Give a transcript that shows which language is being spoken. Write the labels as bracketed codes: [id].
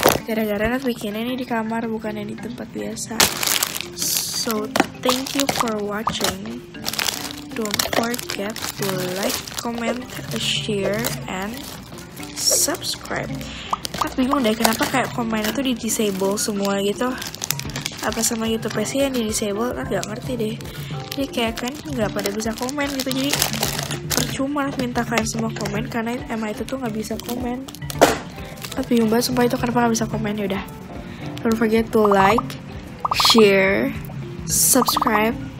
[id] Gara-gara aku bikinnya ini di kamar, bukan yang di tempat biasa. [en] So thank you for watching. Don't forget to like, comment, share, and subscribe. [id] Aku bingung deh kenapa kayak komennya tuh di disable semua gitu. Apa sama YouTube sih yang di disable? Aku gak ngerti deh. Jadi kayak kan gak pada bisa komen gitu. Jadi percuma minta kalian semua komen karena emang itu tuh gak bisa komen. Aku bingung banget sumpah itu kenapa gak bisa komen. Yaudah. [en] Don't forget to like, share, subscribe.